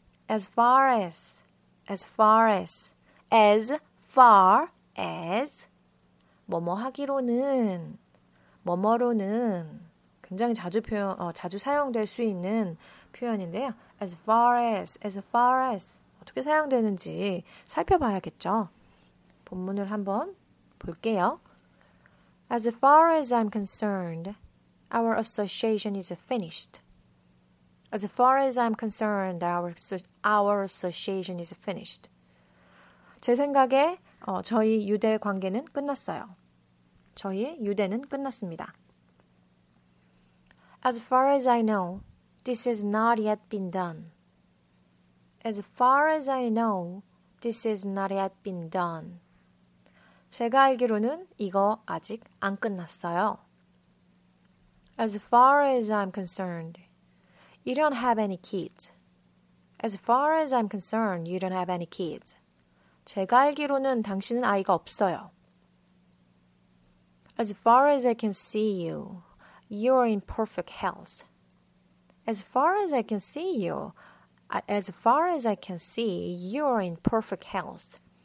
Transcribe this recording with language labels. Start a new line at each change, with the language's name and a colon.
English: As far as,
Korean: 뭐뭐 하기로는, 뭐뭐로는 굉장히 자주 사용될 수 있는 표현인데요.
English: As far as.
Korean: 어떻게 사용되는지 살펴봐야겠죠. 본문을 한번 볼게요.
English: As far as I'm concerned, our association is finished. As far as I'm concerned, our association is finished.
Korean: 제 생각에 저희 유대 관계는 끝났어요. 저희 유대는 끝났습니다.
English: As far as I know, this has not yet been done. As far as I know, this has not yet been done.
Korean: 제가 알기로는 이거 아직 안 끝났어요.
English: As far as I'm concerned, you don't have any kids. As far as I'm concerned, you don't have any kids.
Korean: 제가 알기로는 당신은 아이가 없어요.
English: As far as I can see you, you're in perfect health. As far as I can see you, As far as I can see, you're in perfect health.